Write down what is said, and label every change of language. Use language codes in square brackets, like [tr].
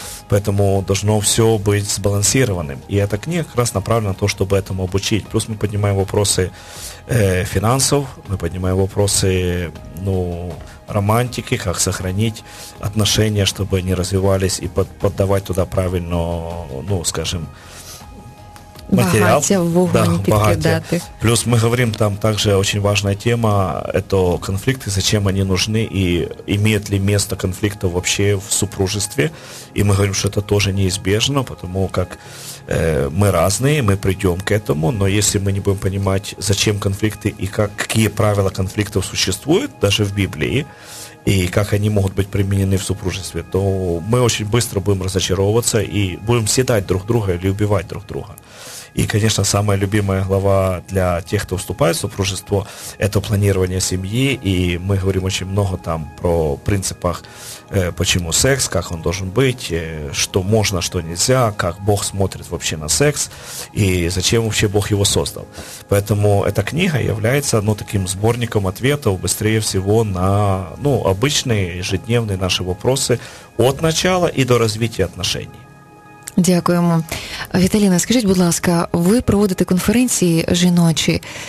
[ru] Поэтому должно все быть сбалансированным. И эта книга как раз направлена на то, чтобы этому обучить. Плюс мы поднимаем вопросы финансов, мы поднимаем вопросы, ну, романтики, как сохранить отношения, чтобы они развивались и поддавать туда правильно, ну, скажем, материал, [uk] багаття в вогонь, да, підкидати. Багаття. Плюс ми говоримо там також дуже важлива тема, це конфлікти, за чим вони потрібні і має ли місце конфлікту взагалі в супружестві. І ми говоримо, що це теж неизбежно, тому як ми різні, ми прийдемо к этому, но якщо ми не будемо розуміти, за чим конфлікти і які правила конфліктів [ru] существують, навіть в Біблії, и как они могут быть применены в супружестве, то мы очень быстро будем разочаровываться и будем съедать друг друга или убивать друг друга. И, конечно, самая любимая глава для тех, кто вступает в супружество, это планирование семьи, и мы говорим очень много там про принципах, почему секс, как он должен быть, что можно, что нельзя, как Бог смотрит вообще на секс, и зачем вообще Бог его создал. Поэтому эта книга является, ну, таким сборником ответов быстрее всего на, ну, обычные ежедневные наши вопросы от начала и до развития отношений. [uk] Дякуємо. Віталіна, скажіть, будь ласка, ви проводите конференції жіночі.